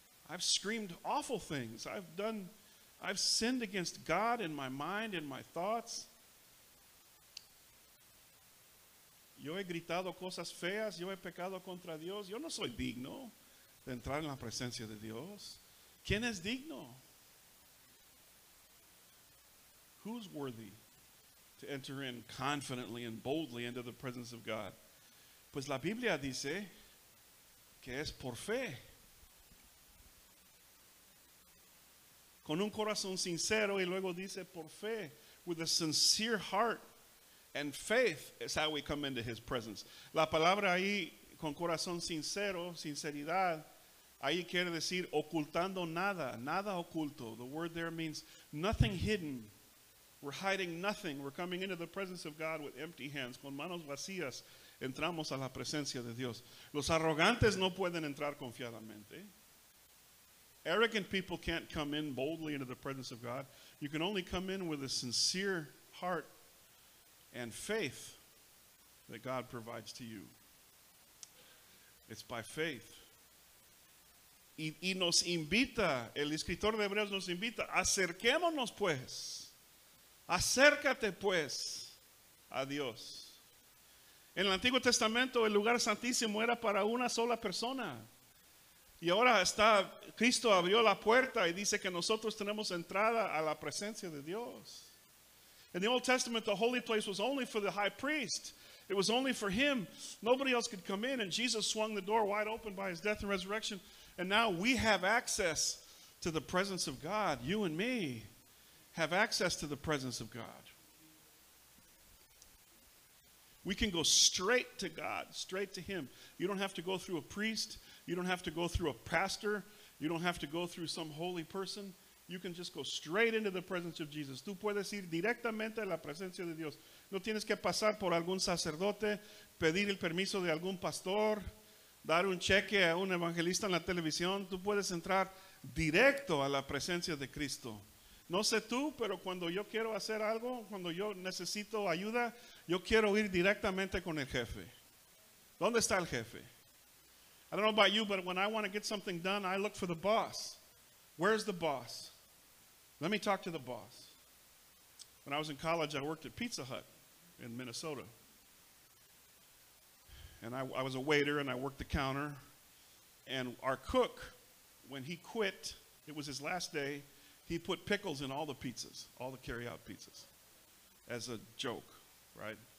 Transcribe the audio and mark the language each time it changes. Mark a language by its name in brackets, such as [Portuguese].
[English] I've screamed awful things. I've sinned against God in my mind, in my thoughts. [Spanish] Yo he gritado cosas feas. Yo he pecado contra Dios. Yo no soy digno de entrar en la presencia de Dios. ¿Quién es digno? [English] who's worthy to enter in confidently and boldly into the presence of God? [Spanish] Pues la Biblia dice que es por fe. Con un corazón sincero, y luego dice por fe. [English] With a sincere heart and faith is how we come into his presence. [Spanish] La palabra ahí, con corazón sincero, sinceridad, ahí quiere decir ocultando nada, nada oculto. [English] The word there means nothing hidden. We're hiding nothing. We're coming into the presence of God with empty hands. [Spanish] Con manos vacías, entramos a la presencia de Dios. Los arrogantes no pueden entrar confiadamente. [English] Arrogant people can't come in boldly into the presence of God. You can only come in with a sincere heart and faith that God provides to you. It's by faith. [Spanish] Y nos invita, el escritor de Hebreos nos invita, acerquémonos pues, acércate pues a Dios. En el Antiguo Testamento el lugar santísimo era para una sola persona. Y ahora está, Cristo abrió la puerta y dice que nosotros tenemos entrada a la presencia de Dios. [English] In the Old Testament, the holy place was only for the high priest. It was only for him. Nobody else could come in. And Jesus swung the door wide open by his death and resurrection. And now we have access to the presence of God. You and me have access to the presence of God. We can go straight to God, straight to him. You don't have to go through a priest. You don't have to go through a pastor. You don't have to go through some holy person. You can just go straight into the presence of Jesus. [Spanish] Tú puedes ir directamente a la presencia de Dios. No tienes que pasar por algún sacerdote, pedir el permiso de algún pastor, dar un cheque a un evangelista en la televisión. Tú puedes entrar directo a la presencia de Cristo. No sé tú, pero cuando yo quiero hacer algo, cuando yo necesito ayuda, yo quiero ir directamente con el jefe. ¿Dónde está el jefe? [English] I don't know about you, but when I want to get something done, I look for the boss. Where's the boss? Let me talk to the boss. When I was in college, I worked at Pizza Hut in Minnesota. And I was a waiter and I worked the counter. And our cook, when he quit, it was his last day, he put pickles in all the pizzas, all the carryout pizzas, as a joke, right?